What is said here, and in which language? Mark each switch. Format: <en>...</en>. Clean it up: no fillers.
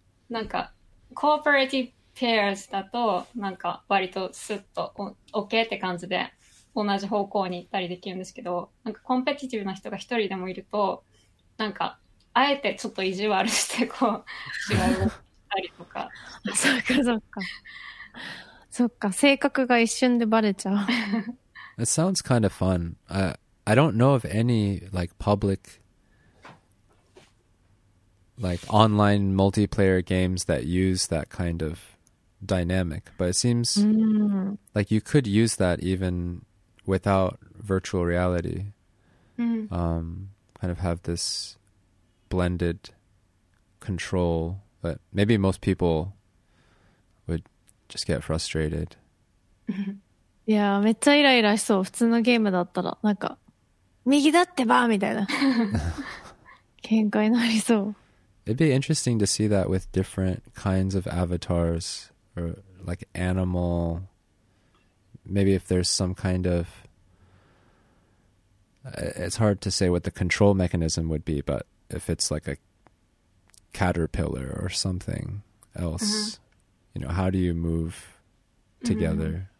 <ja>なんかコーポレーティブペアーズだとなんか割とスッと OK って感じで同じ方向に行ったりできるんですけど、なんかコンペティティブな人が一人でもいるとなんかあえてちょっと意地悪してこう違う動きしたりとか。そっかそっか。そっか、性格が一瞬でバレちゃう。</ja> <en>It sounds kind of fun. I don't know of any like public like online multiplayer games that use that kind of dynamic, but it seems like you could use that even without virtual reality. Kind of have this blended control, but maybe most people would just get frustrated.</en> <ja>いやー、めっちゃイライラしそう。普通のゲームだったら、なんか、右だってばーみたいな。喧嘩になりそう。</ja> <en>It'd be interesting to see that with different kinds of avatars, or like animal, maybe if there's some kind of, it's hard to say what the control mechanism would be, but if it's like a caterpillar or something else, you know, how do you move together? Mm-hmm.</en>